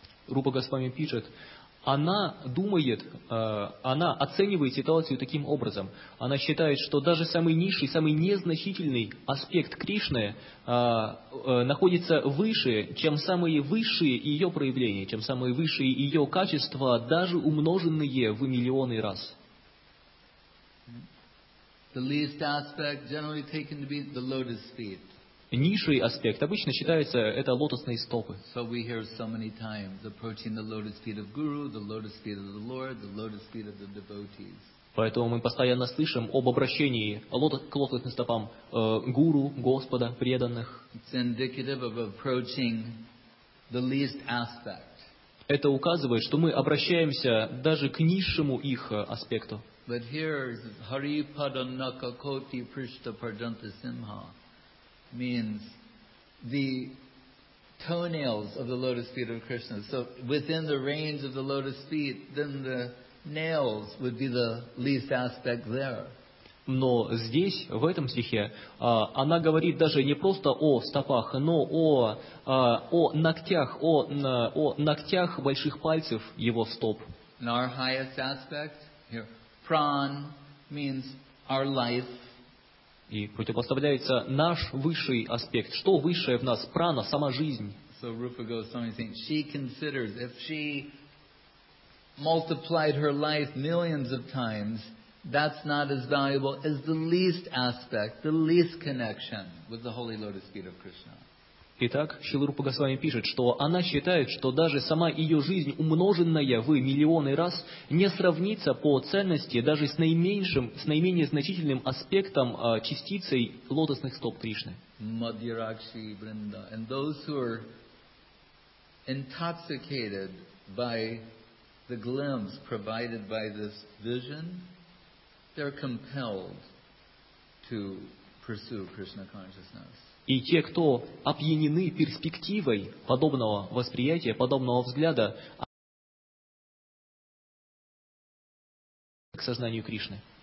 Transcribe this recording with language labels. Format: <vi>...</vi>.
<ru>Рупа Госвами пишет, она думает, она оценивает ситуацию таким образом. Она считает, что даже самый низший, самый незначительный аспект Кришны находится выше, чем самые высшие ее проявления, чем самые высшие ее качества, даже умноженные в миллионы раз.</ru> <en>The least aspect generally taken to be the lotus feet.</en> <ru>Низший аспект обычно считается это лотосные стопы.</ru> <en>So we hear so many times approaching the lotus feet of Guru, the lotus feet of the Lord, the lotus feet of the devotees.</en> <ru>Поэтому мы постоянно слышим об обращении к лотосным стопам Гуру, Господа, преданных.</ru> <en>It's indicative of approaching the least aspect.</en> <ru>Это указывает, что мы обращаемся даже к низшему их аспекту.</ru> <en>But here,</en> <sa>Hari Pada Naka Koti Prishta Parjanta Simha</sa> <en>means the toenails of the lotus feet of Krishna. So within the range of the lotus feet, then the nails would be the least aspect there.</en> <ru>Но здесь, в этом стихе, она говорит даже не просто о стопах, но о ногтях больших пальцев его стоп.</ru> <en>And our highest aspect here. Pran means our life.</en> <ru>И противопоставляется наш высший аспект. Что высшее в нас? Прана, сама жизнь. So Rupa Goswami thinks she considers if she multiplied her life millions of times, that's not as valuable as the least aspect, the least connection with the holy lotus feet of Krishna. Итак, Шрила Рупа Госвами пишет, что она считает, что даже сама ее жизнь, умноженная в миллионы раз, не сравнится по ценности даже с наименее значительным аспектом частицей лотосных стоп Кришны.</ru> <sa>Мадиракши Бринда.</sa> <en>And those who are intoxicated by the glimpse provided by this vision, they're compelled to pursue Krishna consciousness.</en> <ru>И те, кто опьянены перспективой подобного восприятия, подобного взгляда, к сознанию Кришны.</ru>